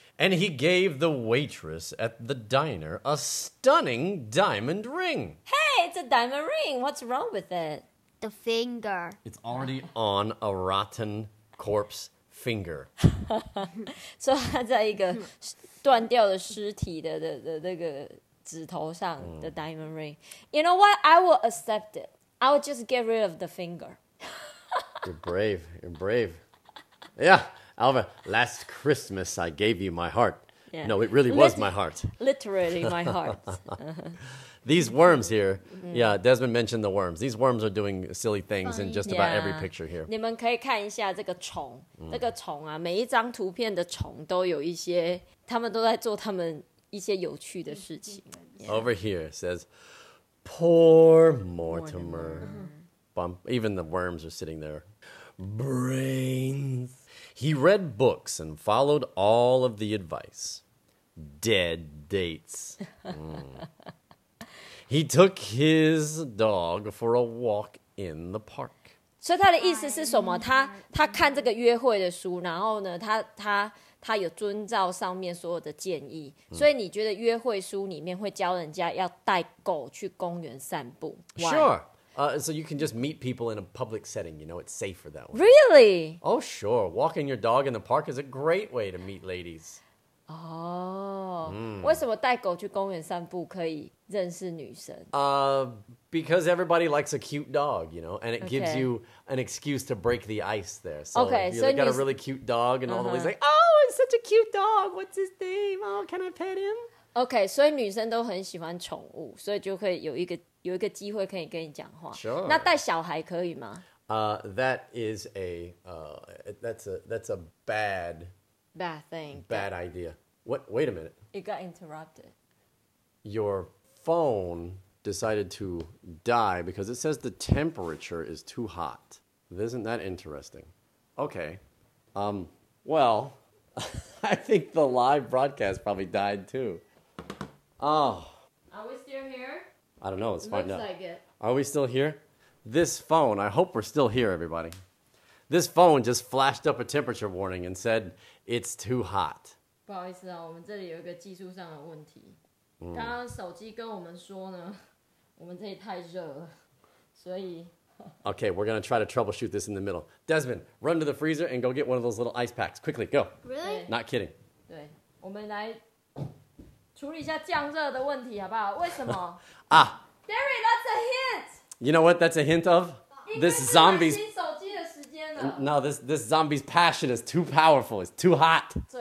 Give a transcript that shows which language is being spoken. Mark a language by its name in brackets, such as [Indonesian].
[English] And he gave the waitress at the diner a stunning diamond ring. Hey, it's a diamond ring. What's wrong with it? The finger. It's already on a rotten corpse finger. [Chinese] So, 它在一个断掉的尸体的那个指头上的 diamond ring. [English] You know what? I will accept it. I will just get rid of the finger. You're brave. You're brave. Yeah. Alva, last Christmas I gave you my heart. Yeah. No, it really was my heart. Literally my heart. These worms here. Yeah, Desmond mentioned the worms. These worms are doing silly things in just about every picture here. [Chinese] 你们可以看一下这个虫。这个虫啊，每一张图片的虫都有一些，他们都在做他们一些有趣的事情。 [English] Over here says, poor Mortimer. Even the worms are sitting there. Brains. He read books and followed all of the advice. Dead dates. He took his dog for a walk in the park. [Chinese] 所以他的意思是什么？他看这个约会的书，然后呢，他有遵照上面所有的建议，所以你觉得约会书里面会教人家要带狗去公园散步 ？ [English] Why? Sure. So you can just meet people in a public setting. You know, it's safer that way. Really? Oh, sure. Walking your dog in the park is a great way to meet ladies. Oh. Mm. [Chinese] 为什么带狗去公园散步可以认识女生？ [English] Because everybody likes a cute dog, you know, and it gives you an excuse to break the ice there. So you got a really cute dog and all the ladies like, oh, it's such a cute dog. What's his name? Oh, can I pet him? [Chinese] Okay, 所以女生都很喜欢宠物，所以就可以有一个机会可以跟你讲话。 [English] Sure. [Chinese] 那带小孩可以吗？ [English] That is a bad, bad thing. Bad idea. What? Wait a minute. It got interrupted. Your phone... decided to die because it says the temperature is too hot. Isn't that interesting? Okay. Well, I think the live broadcast probably died too. Oh. Are we still here? I don't know. Let's find out. Looks like it. Are we still here? This phone, I hope we're still here, everybody. This phone just flashed up a temperature warning and said, it's too hot. [Chinese] 不好意思啊，我们这里有一个技术上的问题。刚刚手机跟我们说呢，我们这里太热了，所以。 [English] Okay, we're going to try to troubleshoot this in the middle. Desmond, run to the freezer and go get one of those little ice packs. Quickly, go. Really? Not kidding. [Chinese] 对，我们来处理一下降热的问题好不好？为什么？ Ah. [English] Derry, that's a hint. You know what that's a hint of? This zombie's... No, this zombie's passion is too powerful. It's too hot.